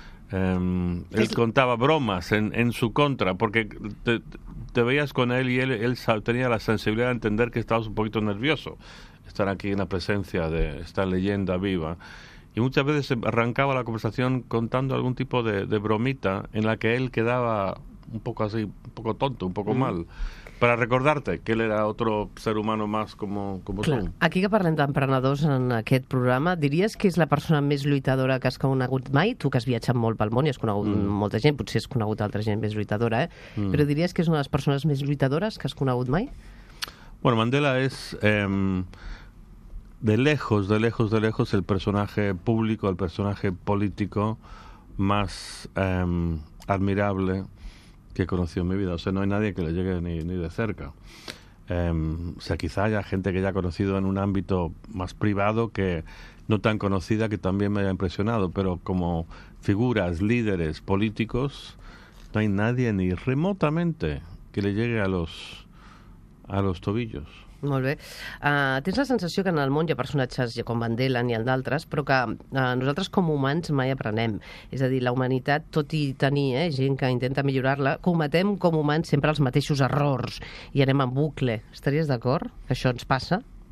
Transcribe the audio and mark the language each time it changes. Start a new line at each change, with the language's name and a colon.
Spanish: Él contaba bromas en su contra, porque te veías con él y él tenía la sensibilidad de entender que estabas un poquito nervioso estar aquí en la presencia de esta leyenda viva. Y muchas veces arrancaba la conversación contando algún tipo de bromita en la que él quedaba un poco así, un poco tonto, un poco mal. Para recordarte que él era otro ser humano más como tú.
Catalan: Aquí que parlem d'emprenedors en aquest programa, diries que és la persona més lluitadora que has conegut mai? Tu que has viatjat molt pel món i has conegut molta gent, potser has conegut altra gent més lluitadora, però diries que és una de les persones més lluitadores que has conegut mai?
Spanish: Bueno, Mandela
Catalan: és
Spanish: de lejos
Catalan: el personatge públic, el personatge polític més admirable
Spanish: que he conocido en mi vida. O sea, no hay nadie que le llegue ni de cerca. O sea, quizá haya gente que haya conocido en un ámbito más privado, que no tan conocida, que también me haya impresionado. Pero como figuras, líderes, políticos, no hay nadie ni remotamente que le llegue a los tobillos.
Catalan: Molt bé. Tens la sensació que en el món hi ha personatges com Van Delen i el d'altres, però que nosaltres com humans mai aprenem. És a dir, la humanitat, tot i tenir gent que intenta millorar-la, cometem com humans sempre els mateixos errors i anem en bucle. Estaries d'acord que això ens passa?